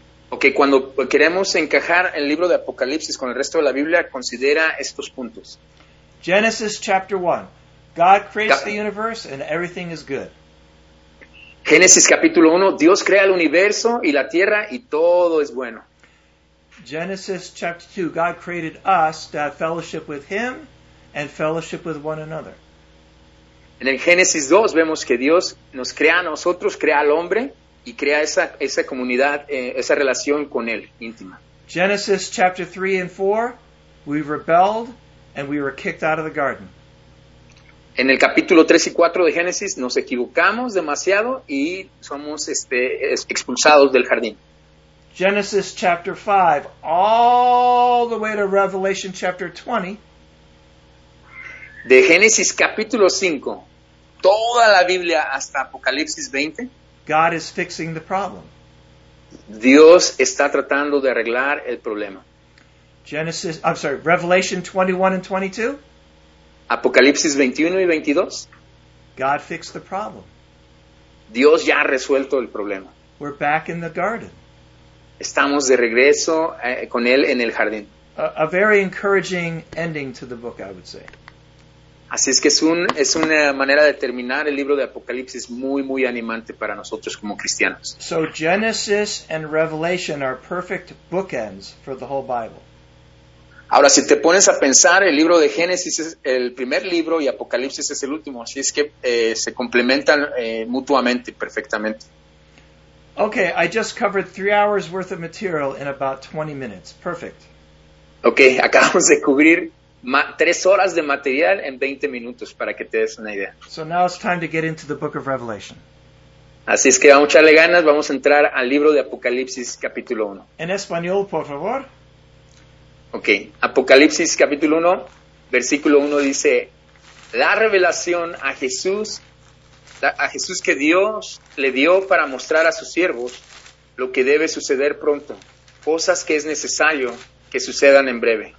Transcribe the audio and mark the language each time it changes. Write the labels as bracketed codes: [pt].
[es] Okay, cuando queremos encajar el libro de Apocalipsis con el resto de la Biblia, considera estos puntos. [en] Genesis chapter 1. God creates the universe and everything is good. [es] Génesis capítulo 1. Dios crea el universo y la tierra y todo es bueno. [en] Genesis chapter 2. God created us to have fellowship with Him and fellowship with one another. [es] En el Génesis 2 vemos que Dios nos crea a nosotros, crea al hombre. Y crea esa comunidad, esa relación con él, íntima. [en] Genesis chapter 3 and 4, we rebelled and we were kicked out of the garden. [es] En el capítulo 3 y 4 de Génesis, nos equivocamos demasiado y somos expulsados del jardín. [en] Genesis chapter 5, all the way to Revelation chapter 20. [es] De Génesis capítulo 5, toda la Biblia hasta Apocalipsis 20. [en] God is fixing the problem. [es] Dios está tratando de arreglar el problema. [en] Revelation 21 and 22. [es] Apocalipsis 21 y 22. [en] God fixed the problem. [es] Dios ya ha resuelto el problema. [en] We're back in the garden. [es] Estamos de regreso con él en el jardín. [en] A very encouraging ending to the book, I would say. [es] Así es que es una manera de terminar el libro de Apocalipsis muy, muy animante para nosotros como cristianos. [en] So Genesis and Revelation are perfect bookends for the whole Bible. [es] Ahora, si te pones a pensar, el libro de Génesis es el primer libro y Apocalipsis es el último. Así es que se complementan mutuamente, perfectamente. [en] Okay, I just covered 3 hours worth of material in about 20 minutes. Perfect. [es] Okay, acabamos de cubrir 3 horas de material en 20 minutos para que te des una idea. [en] So now it's time to get into the book of Revelation. [es] Así es que vamos a echarle ganas, vamos a entrar al libro de Apocalipsis capítulo 1. En español, por favor. Okay, Apocalipsis capítulo 1, versículo 1 dice: la revelación a Jesús que Dios le dio para mostrar a sus siervos lo que debe suceder pronto, cosas que es necesario que sucedan en breve.